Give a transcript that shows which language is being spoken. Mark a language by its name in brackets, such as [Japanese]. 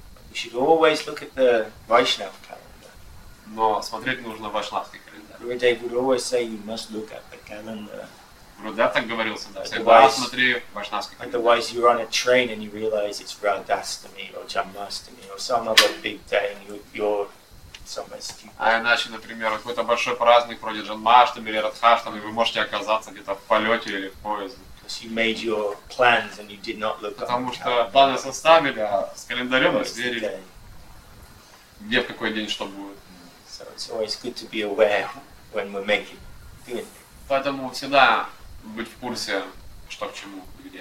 [English] You should always look at the Vaishnava calendar. [Russian] Но смотреть нужно вайшнавский календарь. [English] Gurudev would always say you must look at the calendar. [Russian] Gurudev так говорил всегда. Всегда смотри вайшнавский календарь. [English] Otherwise you're on a train and you realize it's Radhastami or Jamastami or some other big day and you're somewhere stupid. [Russian] А иначе, например, какой-то большой праздник вроде Джанмаштами или Радхаштами, вы можете оказаться где-то в полете или в поезде. [English] You made your plans and you did not look at [Russian] Потому что планы составили, а с календарем мы сверили. Где, в какой день, что будет. [English] So it's always good to be aware when we're making, doing things. [Russian] Поэтому всегда быть в курсе, что к чему, где.